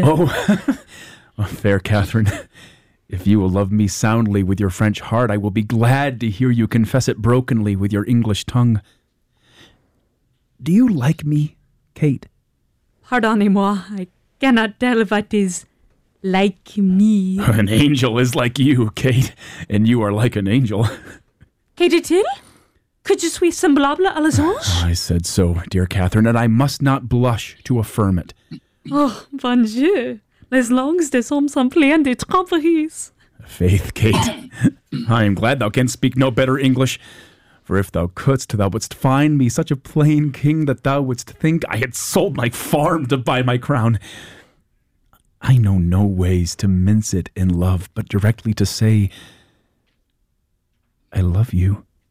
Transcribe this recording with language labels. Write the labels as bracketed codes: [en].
[en] Oh, fair Catherine, if you will love me soundly with your French heart, I will be glad to hear you confess it brokenly with your English tongue. Do you like me, Kate? [fr] Pardonnez-moi, [en] I cannot tell what is like me. An angel is like you, Kate, and you are like an angel. [fr] Que dit-il? Could you suis semblable à l'ange? [en] I said so, dear Catherine, and I must not blush to affirm it. [fr] Oh, bon Dieu, les langues des hommes sont pleines de tromperies. [en] Faith, Kate, I am glad thou canst speak no better English. For if thou couldst, thou wouldst find me such a plain king that thou wouldst think I had sold my farm to buy my crown. I know no ways to mince it in love, but directly to say, I love you.